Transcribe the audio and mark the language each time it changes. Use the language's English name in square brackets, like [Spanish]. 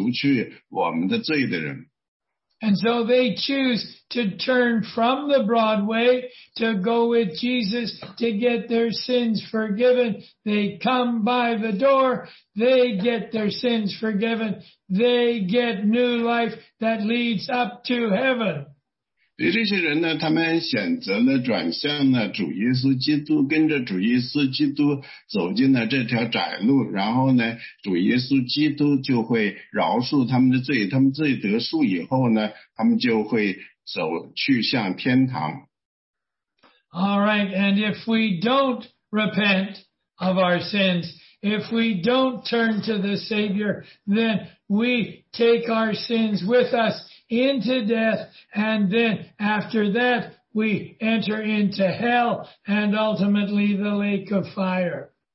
[Chinese] 在这些呢,走在窄路上的人呢,他们意识到他们自己是个罪人,然后呢,主耶稣基督呢,是神的羔羊,神的羔羊呢,是为我们而死,而除去我们的罪的人。 [English] And so they choose to turn from the broad way to go with Jesus to get their sins forgiven. They come by the door. They get their sins forgiven. They get new life that leads up to heaven. [Chinese] 所以这些人呢,他们选择了转向了主耶稣基督,跟着主耶稣基督走进了这条窄路,然后呢,主耶稣基督就会饶恕他们的罪,他们罪得赦以后呢,他们就会走去向天堂。Alright, [English] and if we don't repent of our sins, if we don't turn to the Savior, then we take our sins with us into death, and then after that, we enter into hell and ultimately the lake of fire.